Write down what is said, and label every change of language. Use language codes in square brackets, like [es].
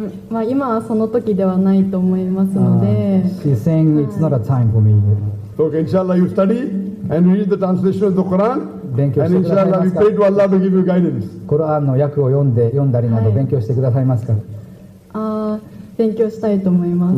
[ja] まあ今はその時ではないと思いますので。 [en] She's saying it's not a time for me. Okay, inshallah, you study and read the translation of the Quran. [ja] 勉強してくださいますか。コラーンの訳を読んだりなど勉強してくださいますか。勉強したいと思います。